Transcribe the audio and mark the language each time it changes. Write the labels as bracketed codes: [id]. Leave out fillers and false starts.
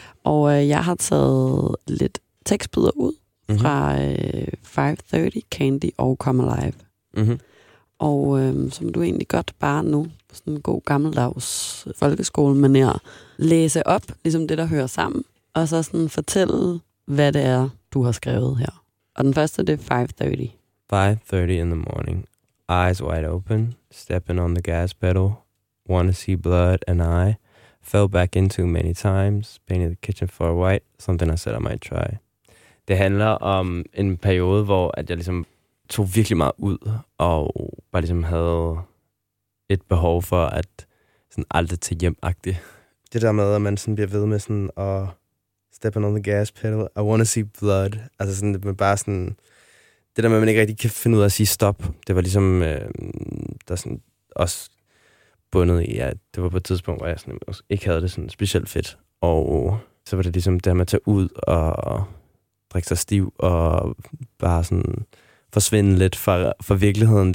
[da] Og jeg har taget lidt tekstbider ud fra 5:30, Candy og Come Alive. Mm-hmm. Og som du egentlig godt bare nu, sådan en god gammeldags folkeskolemanér, læse op, ligesom det, der hører sammen, og så sådan fortælle, hvad det er, du har skrevet her. Og den første, det er 5:30. [en] 5:30 in the morning. Eyes wide open, stepping on the gas pedal. Wanna see blood and I. Fell back into many times. Painted the kitchen floor white. Something I said I might try. [da] Det handler om en periode, hvor at jeg ligesom tog virkelig meget ud, og bare ligesom havde et behov for at sådan aldrig tage hjem-agtigt. Det der med, at man sådan bliver ved med sådan at [en] stepping on the gas pedal, I want to see blood. [da] Altså sådan, det er bare sådan, det der med, at man ikke rigtig kan finde ud af at sige stop, det var ligesom, der sådan også bundet i, at det var på et tidspunkt, hvor jeg sådan, ikke havde det sådan specielt fedt. Og så var det ligesom det her med at tage ud og drikke sig stiv og bare sådan forsvinde lidt fra virkeligheden.